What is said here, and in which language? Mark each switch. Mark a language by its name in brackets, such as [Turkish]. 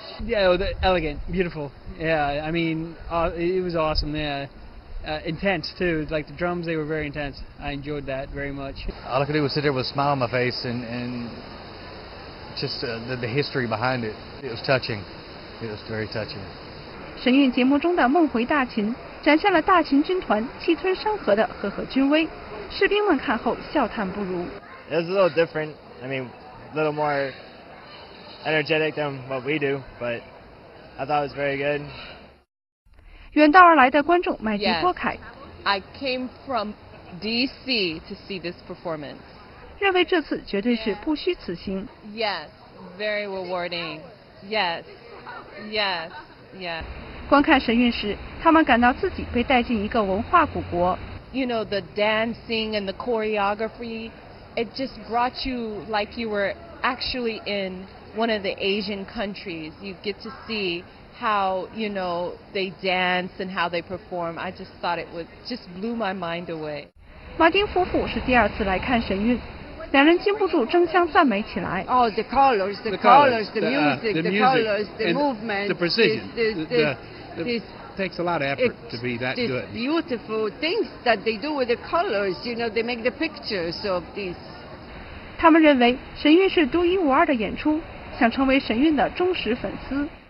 [English] Yeah, elegant, beautiful. Yeah, I mean, it was awesome. Yeah. Intense too, like the drums, they were very intense. I enjoyed that very much. All I could do was sit there with a smile on my face and just the history behind it. It was touching. It was very touching. [Chinese] 神韵节目中的梦回大秦展现了大秦军团气吞山河的赫赫军威，士兵们看后笑叹不如。 [English] It was a little different. I mean, a little more energetic than what we do, but I thought it was very good. [Chinese] 远道而来的观众麦迪波凯 [English] I came from DC to see this performance. [Chinese] 认为这次绝对是不虚此行。 [English] Yes, very rewarding. Yes, yes, yes. [Chinese] 观看神韵时，他们感到自己被带进一个文化古国。 [English] You know, the dancing and the choreography, it just brought you like you were actually in one of the Asian countries. You get to see. How, you know, they dance and how they perform. I just thought it was just blew my mind away. [Chinese] 马丁夫妇是第二次来看神韵，两人禁不住争相赞美起来。 [English] Oh, the colors, the music, the colors, the movement, the precision. This takes a lot of effort to be that good. The beautiful things that they do with the colors, you know, they make the pictures of this. [Chinese] 他们认为神韵是独一无二的演出，想成为神韵的忠实粉丝。